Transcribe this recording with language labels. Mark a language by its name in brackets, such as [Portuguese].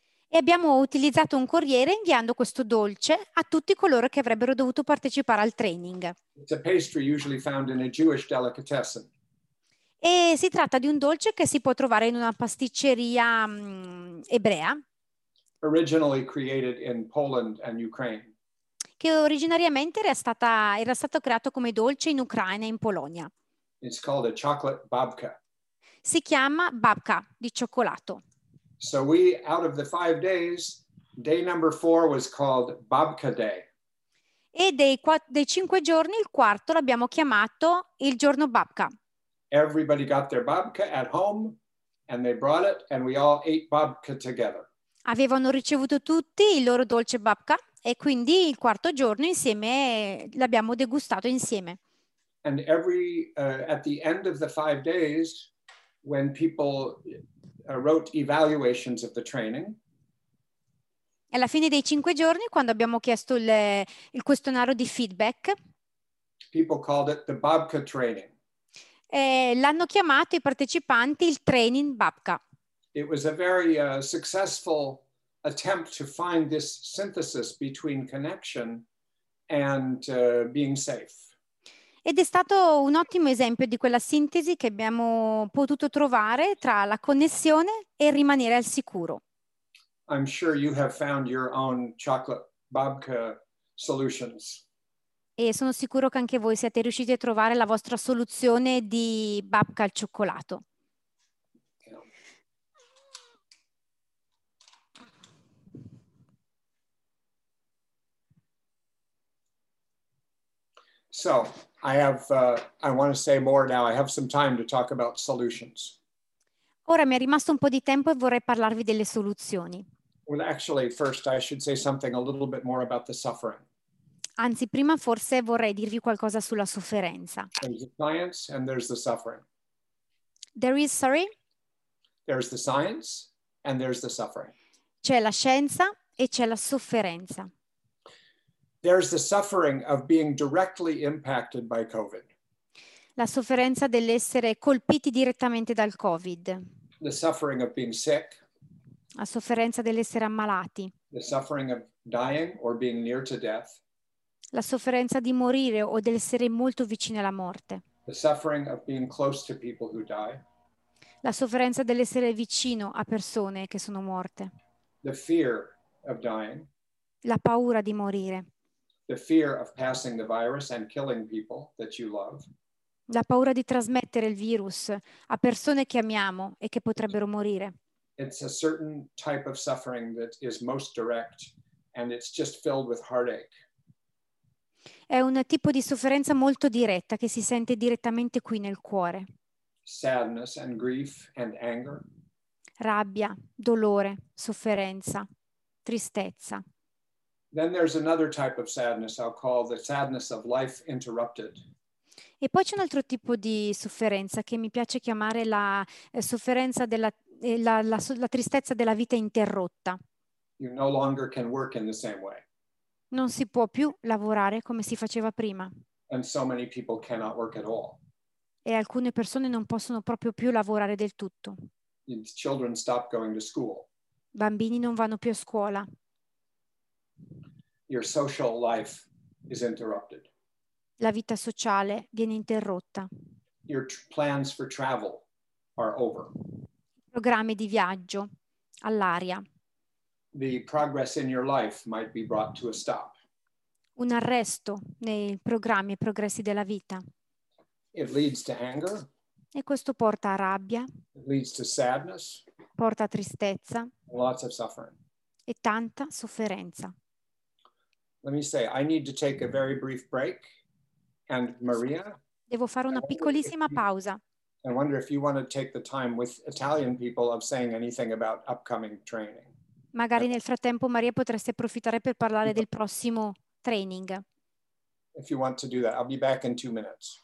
[Italian] E abbiamo utilizzato un corriere inviando questo dolce a tutti coloro che avrebbero dovuto partecipare al training. [English] It's a pastry usually found in a Jewish delicatessen. [Italian] E si tratta di un dolce che si può trovare in una pasticceria ebrea. [English] Originally created in Poland and Ukraine. [Italian] Che originariamente era stato creato come dolce in Ucraina e in Polonia. [English] It's called a chocolate babka. [Italian] Si chiama babka di cioccolato. [English] So we, out of the 5 days, day number 4 was called Babka Day. [Italian] E dei 5 giorni, il quarto l'abbiamo chiamato il giorno babka. [English] Everybody got their babka at home and they brought it and we all ate babka together. [Italian] Avevano ricevuto tutti il loro dolce babka e quindi il quarto giorno insieme l'abbiamo degustato insieme. [English] And every at the end of the 5 days, when people wrote evaluations of the training. [Italian] E alla fine dei 5 giorni, quando abbiamo chiesto il questionario di feedback, [English] people called it the babka training. [Italian] L'hanno chiamato i partecipanti il training babka. [English] It was a very successful attempt to find this synthesis between connection and being safe. [Italian] Ed è stato un ottimo esempio di quella sintesi che abbiamo potuto trovare tra la connessione e rimanere al sicuro. [English] I'm sure you have found your own chocolate babka solutions. [Italian] E sono sicuro che anche voi siete riusciti a trovare la vostra soluzione di babka al cioccolato. [English] So, I want to say more now. I have some time to talk about solutions. [Italian] Ora mi è rimasto un po' di tempo e vorrei parlarvi delle soluzioni. [English] Well, actually, first I should say something a little bit more about the suffering. [Italian] Anzi, prima forse vorrei dirvi qualcosa sulla sofferenza. [English] There's the science and there's the suffering. There's the science and there's the suffering. [Italian] C'è la scienza e c'è la sofferenza. [English] There's the suffering of being directly impacted by COVID. [Italian] La sofferenza dell'essere colpiti direttamente dal COVID. [English] The suffering of being sick. [Italian] La sofferenza dell'essere ammalati. [English] The suffering of dying or being near to death. [Italian] La sofferenza di morire o dell'essere molto vicino alla morte. [English] The suffering of being close to people who die. [Italian] La sofferenza dell'essere vicino a persone che sono morte. [English] The fear of dying. [Italian] La paura di morire. [English] The fear of passing the virus and killing people that you love. [Italian] La paura di trasmettere il virus a persone che amiamo e che potrebbero morire. [English] It's a certain type of suffering that is most direct and it's just filled with heartache. [Italian] È un tipo di sofferenza molto diretta che si sente direttamente qui nel cuore. [English] Sadness and grief and anger. [Italian] Rabbia, dolore, sofferenza, tristezza. [English] Then there's another type of sadness I'll call the sadness of life interrupted. [Italian] E poi c'è un altro tipo di sofferenza che mi piace chiamare la sofferenza della la tristezza della vita interrotta. [English] You no longer can work in the same way. [Italian] Non si può più lavorare come si faceva prima. [English] And so many people cannot work at all. [Italian] E alcune persone non possono proprio più lavorare del tutto. [English] And children stop going to school. [Italian] Bambini non vanno più a scuola. [English] Your social life is interrupted. [Italian] La vita sociale viene interrotta. [English] Your plans for travel are over. [Italian] Programmi di viaggio all'aria. [English] The progress in your life might be brought to a stop. [Italian] Un arresto nei programmi e progressi della vita. [English] It leads to anger. [Italian] E questo porta a rabbia. [English] It leads to sadness. [Italian] Porta a tristezza. [English] Lots of suffering. [Italian] E tanta sofferenza. [English] Let me say, I need to take a very brief break. And Maria? [Italian] Devo fare una piccolissima pausa. [English] I wonder if you want to take the time with Italian people of saying anything about upcoming training. [Italian] Magari nel frattempo, Maria, potreste approfittare per parlare del prossimo training. [English] If you want to do that, I'll be back in 2 minutes.